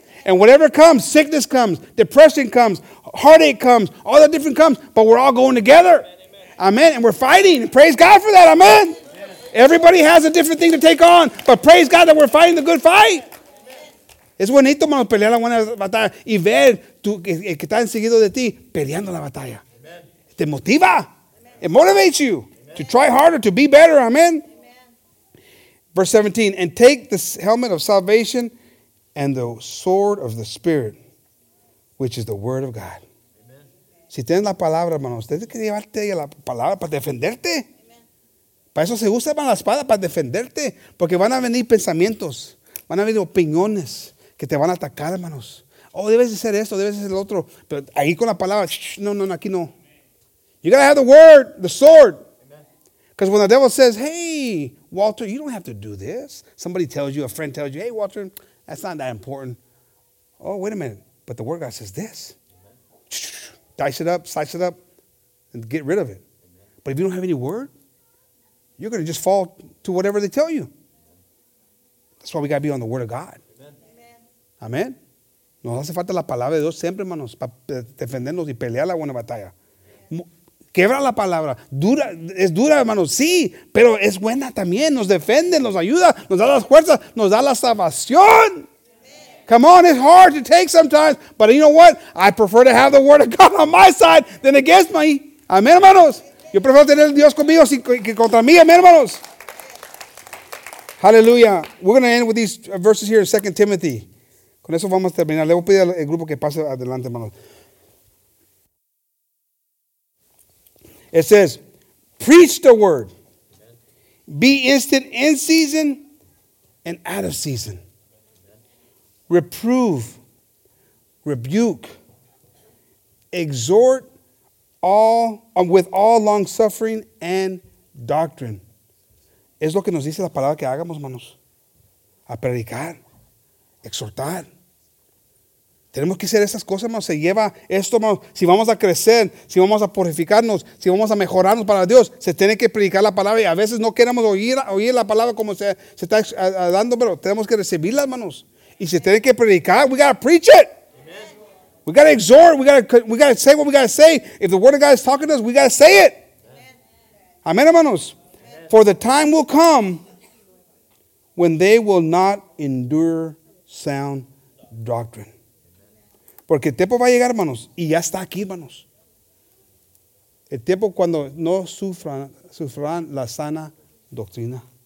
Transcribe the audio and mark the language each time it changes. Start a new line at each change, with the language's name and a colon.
English: And whatever comes, sickness comes, depression comes, heartache comes, all that different comes, but we're all going together. Amen. And we're fighting. Praise God for that. Amen. Everybody has a different thing to take on, but praise God that we're fighting the good fight.
Spanish: Es bonito, hermano, pelear la buena batalla y ver tú que está enseguido de ti peleando la batalla. Te motiva.
English: It motivates you to try harder, to be better. Amen. Verse 17, and take the helmet of salvation and the sword of the Spirit, which is the word of God.
Spanish: Si tienes la palabra, hermano, usted tiene que llevarte la palabra para defenderte. Para eso se usa la espada, para defenderte. Porque van a venir pensamientos, van a venir opiniones que te van a atacar, hermanos. Oh, debes de hacer esto, debes de hacer lo otro. Pero ahí con la palabra, no, aquí no.
English: You gotta have the word, the sword. Because when the devil says, hey, Walter, you don't have to do this. Somebody tells you, a friend tells you, hey, Walter, that's not that important. Oh, wait a minute. But the word of God says this. Dice it up, slice it up, and get rid of it. But if you don't have any word, you're going to just fall to whatever they tell you. That's why we got to be on the word of God. Amen.
Spanish: Nos hace falta la palabra de Dios siempre, hermanos, para defendernos y pelear la buena batalla. Quebra la palabra. Dura, es dura, hermanos, sí, pero es buena también. Nos defiende, nos ayuda, nos da las fuerzas, nos da la salvación.
English: Come on, it's hard to take sometimes, but you know what? I prefer to have the word of God on my side than against me.
Spanish: Amen, hermanos. Yo prefiero tener Dios conmigo que contra mí. Amen, hermanos. Hallelujah.
English: We're going to end with these verses here in 2 Timothy.
Spanish: Con eso vamos a terminar. Le voy a pedir al grupo que pase adelante, hermanos.
English: It says, preach the word. Be instant in season and out of season. Reprove, rebuke, exhort all with all long suffering and doctrine.
Spanish: Es lo que nos dice la palabra que hagamos, hermanos. A predicar, exhortar. Tenemos que hacer esas cosas, hermanos. Se lleva esto, hermanos. Si vamos a crecer, si vamos a purificarnos, si vamos a mejorarnos para Dios, se tiene que predicar la palabra. Y a veces no queremos oír la palabra como se está dando, pero tenemos que recibirla, hermanos. Y se tiene que predicar.
English: We got to preach it. Amen. We got to exhort.
Spanish: We got to say what we got to say. If the word of God is talking to us, we got to say it. Amen, amen, hermanos. Amen.
English: For the time will come when they will not endure sound doctrine.
Spanish: Porque el tiempo va a llegar, hermanos, y ya está aquí, hermanos. El tiempo cuando no sufran la sana doctrina.